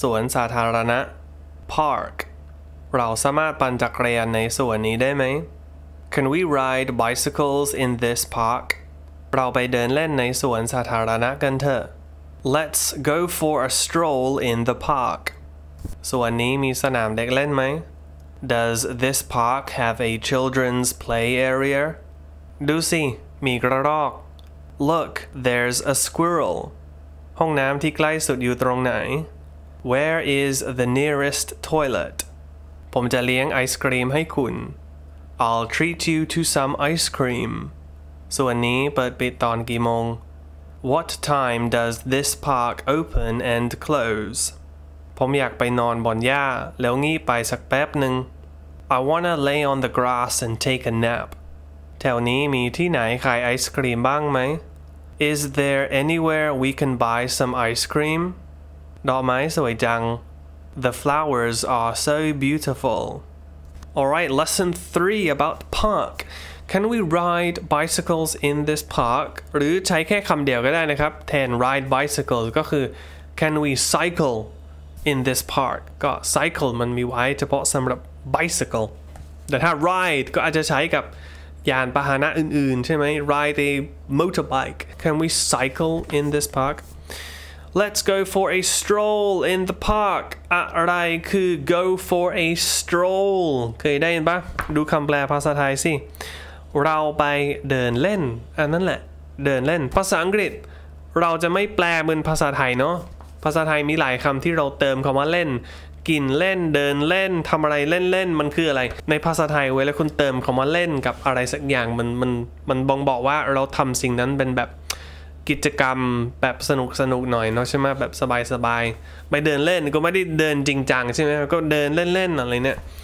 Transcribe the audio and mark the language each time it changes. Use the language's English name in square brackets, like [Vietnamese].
[Thai] สวนสาธารณะ Park. เราสามารถปั่นจักรยานในสวนนี้ได้ไหม? [English] Can we ride bicycles in this park? [Thai] เราไปเดินเล่นในสวนสาธารณะกันเถอะ. [English] Let's go for a stroll in the park. [Thai] สวนนี้มีสนามเด็กเล่นไหม? [English] Does this park have a children's play area? [Thai] ดูสิ, มีกระรอก. [English] Look, there's a squirrel. [Thai] ห้องน้ำที่ใกล้สุดอยู่ตรงไหน [English] Where is the nearest toilet? [Thai] ผมจะเลี้ยงไอศกรีมให้คุณ [English] I'll treat you to some ice cream. [Thai] ส่วนนี้เปิดปิดตอนกี่โมง [English] What time does this park open and close? [Thai] ผมอยากไปนอนบนหญ้าแล้วงีบไปสักแป๊บหนึ่ง [English] I wanna lay on the grass and take a nap. [Thai] แถวนี้มีที่ไหนขายไอศกรีมบ้างไหม [English] Is there anywhere we can buy some ice cream? [Thai] ดอกไม้สวยจัง [English] The flowers are so beautiful. Alright, lesson 3 about park. Can we ride bicycles in this park? [Thai] หรือใช้แค่คำเดียวก็ได้นะครับ แทน ride bicycles ก็คือ [English] Can we cycle in this park? [Thai] ก็ cycle มันมีไว้เฉพาะสำหรับ bicycle. แต่ถ้า ride ก็อาจจะใช้กับยานพาหนะอื่นๆใช่ไหม [English] Ride a motorbike. Can we cycle in this park? Let's go for a stroll in the park. [Thai] อะไรคือ go for a stroll? เคยได้ยินปะดูคำแปลภาษาไทยสิเราไปเดินเล่นอันนั้นแหละเดินเล่นภาษาอังกฤษเราจะไม่แปลเหมือนภาษาไทยเนาะภาษาไทยมีหลายคำที่เราเติมคำว่าเล่นกินเล่นเดินเล่นทำอะไรเล่นเล่นมันคืออะไรในภาษาไทยเวลาคุณเติมคำว่าเล่นกับอะไรสักอย่างมันบ่งบอกว่าเราทำสิ่งนั้นเป็นแบบกิจกรรมแบบสนุกหน่อยเนาะใช่ไหมแบบสบายไปเดินเล่นก็ไม่ได้เดินจริงจังใช่ไหมก็เดินเล่นๆอะไรเนี่ย